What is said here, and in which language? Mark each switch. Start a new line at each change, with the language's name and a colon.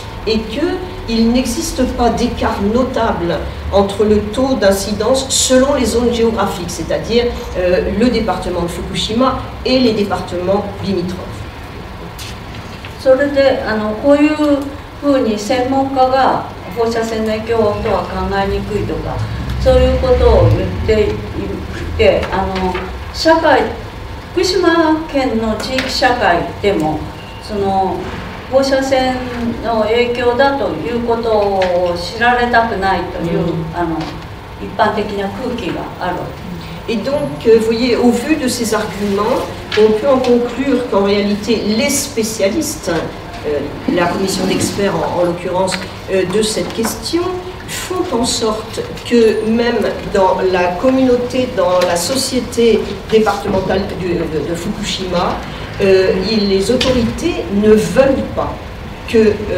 French: Et qu'il n'existe pas d'écart notable entre le taux d'incidence selon les zones géographiques, c'est-à-dire le département de Fukushima et les départements limitrophes.
Japanese: それで、あの、こういうふうに専門家が放射線の影響とは考えにくいとか、そういうことを言っていて、あの、社会、福島県の地域社会でも、その、放射線の影響だということを知られたくないという、あの、一般的な空気がある。
French: Et donc, voyez, au vu de ces arguments, on peut en conclure qu'en réalité, les spécialistes, la commission d'experts en l'occurrence, de cette question, font en sorte que même dans la communauté, dans la société départementale de Fukushima,les autorités ne veulent pas que